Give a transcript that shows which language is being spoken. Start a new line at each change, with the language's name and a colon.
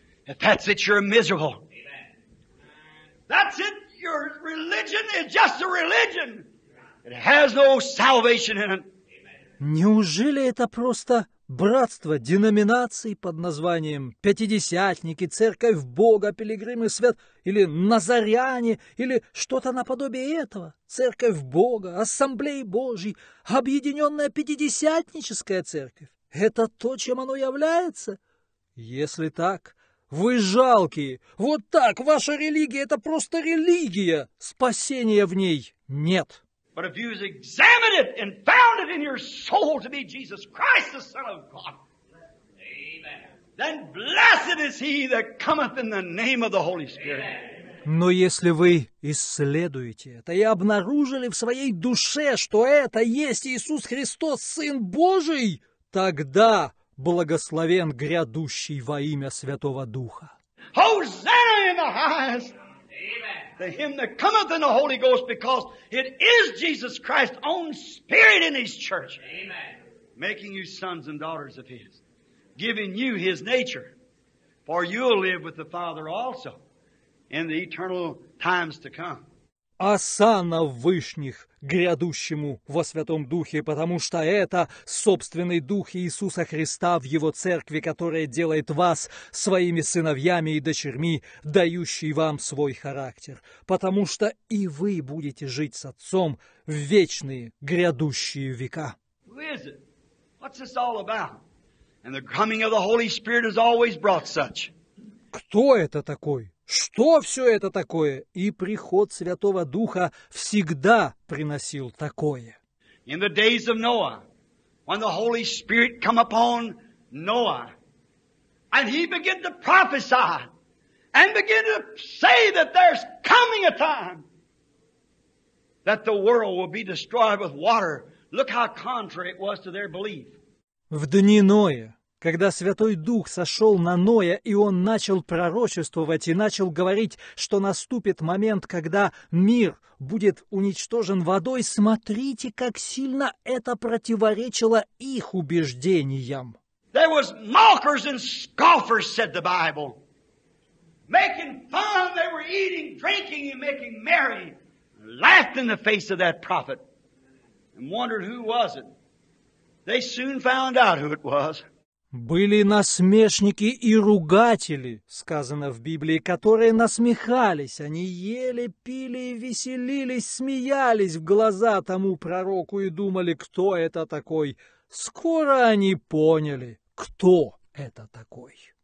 English: If that's it, you're miserable. Amen. That's it, your religion is just a religion. It has no salvation in it.
Russian: Неужели это просто братство деноминаций под названием Пятидесятники, Церковь Бога, Пилигримы Свят, или Назаряне, или что-то наподобие этого? Церковь Бога, Ассамблея Божьей, Объединенная Пятидесятническая Церковь. Это то, чем оно является? Если так, вы жалкие. Вот так, ваша религия — это просто религия. Спасения в ней нет.
English: But if you've examined it and found it in your soul to be Jesus Christ, the Son of God, Amen. Then blessed is he that cometh in the name of the Holy Spirit. Amen.
Russian: Но если вы исследуете это и обнаружили в своей душе, что это есть Иисус Христос, Сын Божий, тогда благословен грядущий во имя Святого Духа.
English: Hosanna in the highest! To him that cometh in the Holy Ghost, because it is Jesus Christ's own spirit in his church. Amen. Making you sons and daughters of his. Giving you his nature. For you'll live with the Father also in the eternal times to come.
Russian: Осанна вышних грядущему во Святом Духе, потому что это собственный Дух Иисуса Христа в Его Церкви, которая делает вас своими сыновьями и дочерьми, дающий вам свой характер, потому что и вы будете жить с Отцом в вечные грядущие века.
English: Who is it? What's this all about? And the coming of the Holy Spirit has always brought such.
Russian: Кто это такой? Что все это такое? И приход Святого Духа всегда приносил такое.
English: In the days of Noah, when the Holy Spirit come upon Noah, and he began to prophesy, and began to say that there's coming a time that the world will be destroyed with water. Look how contrary it was to their belief.
Russian: В дни Ноя, когда Святой Дух сошел на Ноя, и он начал пророчествовать и начал говорить, что наступит момент, когда мир будет уничтожен водой, смотрите, как сильно это противоречило их убеждениям.
English: There was mockers and scoffers, said the Bible. Making fun, they were eating, drinking, and making merry. Laughed in the face of that prophet. and wondered who was it. They soon found out who it was.
Russian: Были насмешники и ругатели, сказано в Библии, которые насмехались. Они ели, пили и веселились, смеялись в глаза тому пророку и думали, кто это такой. Скоро они поняли, кто это такой.